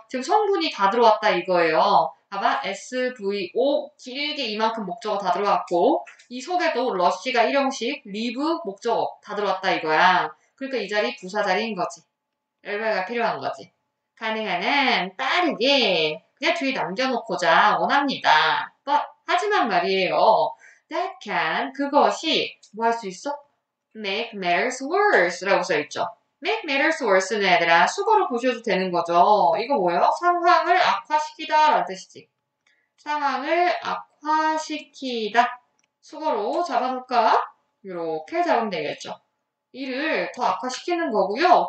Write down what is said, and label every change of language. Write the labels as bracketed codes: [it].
[ko] 지금 성분이 다 들어왔다 이거예요. 봐봐, SVO 길게 이만큼 목적어 다 들어왔고 이 속에도 rush가 일형식, leave 목적어 다 들어왔다 이거야. 그러니까 이 자리 부사 자리인 거지. LY가 필요한 거지. 가능한 한 빠르게 그냥 뒤에 남겨놓고자 원합니다. [en] But, [ko] 하지만 말이에요. [en] That can, [ko] 그것이, 뭐 할 수 있어? [en] Make matters worse [ko] 라고 써있죠. [en] Make matters worse [ko] 는 얘들아, 수거로 보셔도 되는 거죠. 이거 뭐예요? 상황을 악화시키다 라는 뜻이지. 상황을 악화시키다. 수거로 잡아볼까? 이렇게 잡으면 되겠죠. 일을 더 악화시키는 거고요.